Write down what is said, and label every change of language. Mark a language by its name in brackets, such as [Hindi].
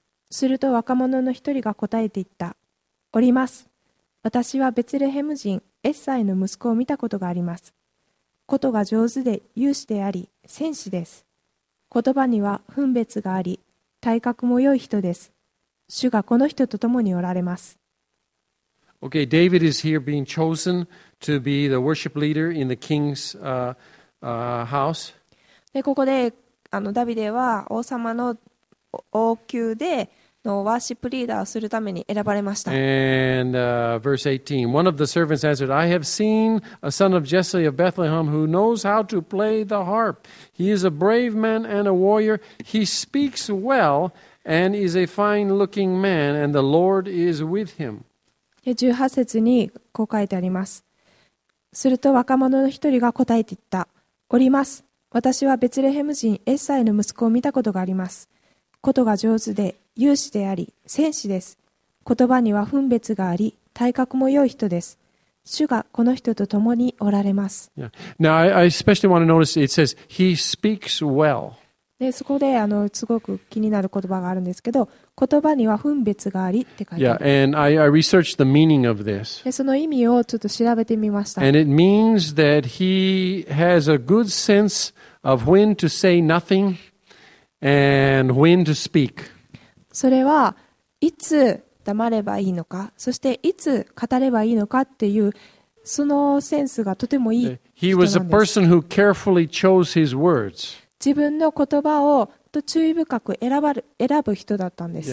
[Japanese] すると若者の一人が答えて言った。おります。私はベツレヘム人エッサイの息子を見たことがあります。ことが上手で勇士であり、戦士です。言葉には分別があり、体格も良い人です。主がこの人と共におられます。 [English] Okay, David is here being chosen to be the worship leader in the king's house. [Japanese] で、ここで、あの、ダビデは王様の王宮でのワーシップリーダーをするために選ばれました。 [English] And verse 18, one of the servants answered, I have seen a son of Jesse of Bethlehem who knows how to play the harp. He is a brave man and a warrior. He speaks well and is a fine looking man, and the Lord is with him. [Japanese] 18節にこう書いてあります。すると若者の一人が答えて言った。おります。私はベツレヘム人エッサイの息子を見たことがあります。ことが上手で勇士であり戦士です。言葉には分別があり体格も良い人です。主がこの人と共におられます。 [English] Now, I especially want to notice it says he speaks well. [Japanese] でそこであのすごく気になる言葉があるんですけど、言葉には分別がありって書いてある。 [English] Yeah, and I researched the meaning of this. [Japanese] で、その意味をちょっと調べてみました。 [English] And it means that he has a good sense of when to say nothing and when to speak. [Japanese] それはいつ黙ればいいのか、そしていつ語ればいいのかっていう、そのセンスがとてもいい人なんです。 [English] He was a person who carefully chose his words. [Japanese] 自分の言葉をと注意深く選ぶ人だったんです。